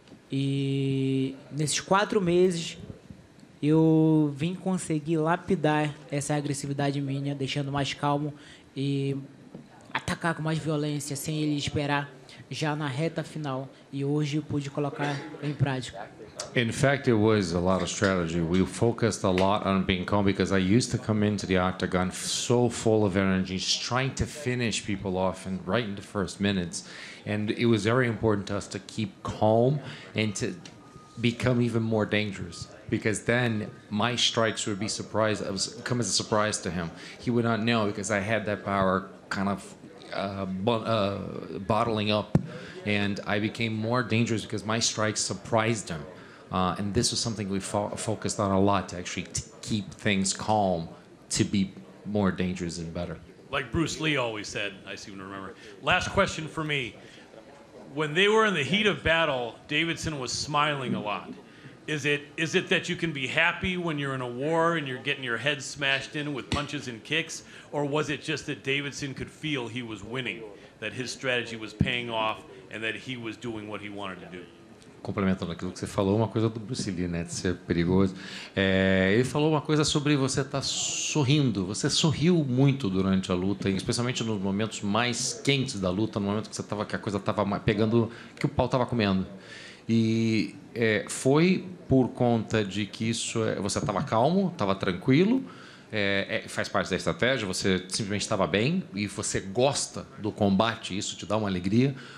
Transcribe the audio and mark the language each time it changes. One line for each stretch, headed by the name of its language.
Portuguese: E nesses 4 meses, eu vim conseguir lapidar essa agressividade minha, deixando mais calmo e atacar com mais violência, sem ele esperar, já na reta final. E hoje eu pude colocar em prática.
English: In fact, it was a lot of strategy. We focused a lot on being calm because I used to come into the octagon so full of energy, just trying to finish people off and right in the first minutes. And it was very important to us to keep calm and to become even more dangerous, because then my strikes would be surprised, come as a surprise to him. He would not know because I had that power kind of bottling up, and I became more dangerous because my strikes surprised him. And this was something we focused on a lot, to actually keep things calm, to be more dangerous and better. Like Bruce Lee always said, I seem to remember. Last question for me. When they were in the heat of battle, Davidson was smiling a lot. Is it that you can be happy when you're in a war and you're getting your head smashed in with punches and kicks? Or was it just that Davidson could feel he was winning, that his strategy was paying off, and that he was doing what he wanted to do.
Portuguese: Complementando aquilo que você falou, uma coisa do Bruce Lee, né, de ser perigoso. É, ele falou uma coisa sobre você estar sorrindo. Você sorriu muito durante a luta, especialmente nos momentos mais quentes da luta, no momento que você tava, que a coisa estava pegando, que o pau estava comendo. E é, foi por conta de que isso é, você estava calmo, estava tranquilo, faz parte da estratégia, você simplesmente estava bem e você gosta do combate, isso te dá uma alegria.